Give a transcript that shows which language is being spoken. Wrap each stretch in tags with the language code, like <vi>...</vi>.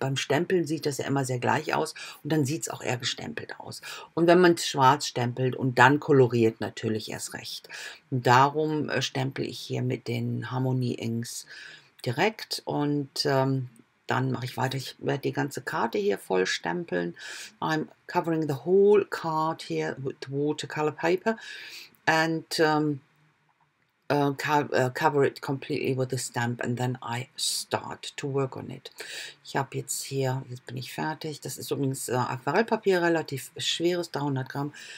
<de>Beim Stempeln sieht das ja immer sehr gleich aus und dann sieht es auch eher gestempelt aus. Und wenn man es schwarz stempelt und dann koloriert, natürlich erst recht. Und darum stempel ich hier mit den Harmony Inks direkt und dann mache ich weiter. Ich werde die ganze Karte hier voll stempeln.</de> <en>I'm covering the whole card here with watercolor paper and cover it completely with the stamp and then I start to work on it.</en> <de>Ich habe jetzt hier, jetzt bin ich fertig. Das ist übrigens Aquarellpapier, relativ schweres, 300 Gramm.</de>